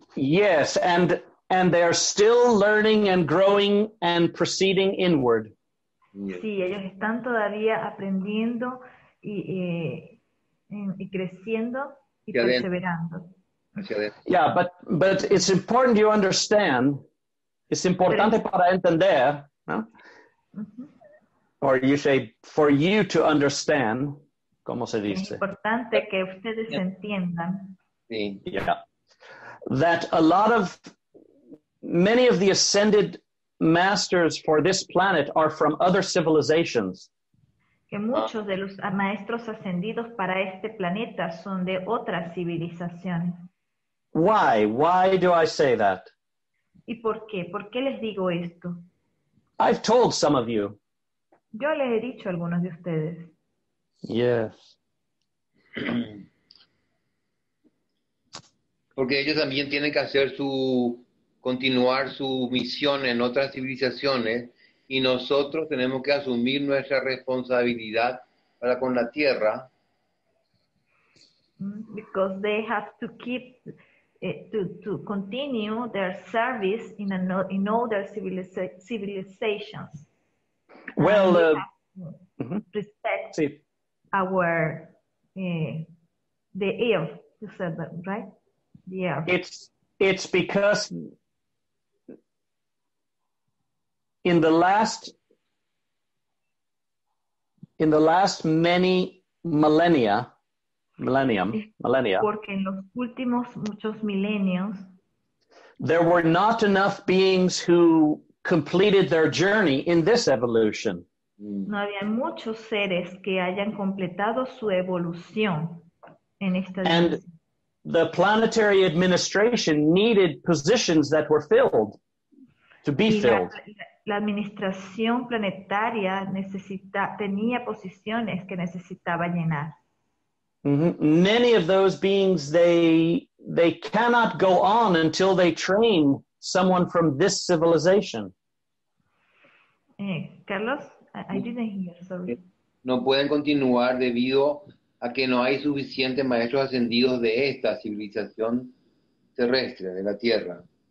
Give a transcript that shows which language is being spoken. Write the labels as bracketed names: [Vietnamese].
[English] Yes, and they are still learning and growing and proceeding inward. [Spanish] Sí, ellos están todavía aprendiendo y creciendo y perseverando. [English] Yeah, but it's important you understand. It's [Spanish] importante para entender, ¿no? [English] Or you say for you to understand. [Spanish] ¿Cómo se dice? Es importante que ustedes entiendan. Sí. [English] Yeah. That a lot of, many of the ascended masters for this planet are from other civilizations. [Spanish] Que muchos de los maestros ascendidos para este planeta son de otras civilizaciones. [English] Why? Why do I say that? [Spanish] ¿Y por qué? ¿Por qué les digo esto? [English] I've told some of you. [Spanish] Yo les he dicho a algunos de ustedes. [English] Yes. [Spanish] Porque ellos también tienen que hacer su continuar su misión en otras civilizaciones y nosotros tenemos que asumir nuestra responsabilidad para con la tierra. [English] Because they have to keep to continue their service in other civilizations. Well, we respect sí. Our the earth. You said that right? Yeah. It's because in the last many millennia. Millennia. [Spanish] Porque en los últimos muchos milenios, [English] there were not enough beings who completed their journey in this evolution. [Spanish] No había muchos seres que hayan completado su evolución en esta dimensión. [English] And the planetary administration needed positions that were filled to be filled. [Spanish] La administración planetaria tenía posiciones que necesitaba llenar. [English] Many of those beings, they cannot go on until they train someone from this civilization. Carlos, I didn't hear, sorry. [Spanish] No pueden continuar debido a que no hay suficientes maestros ascendidos de esta civilización terrestre, de la Tierra.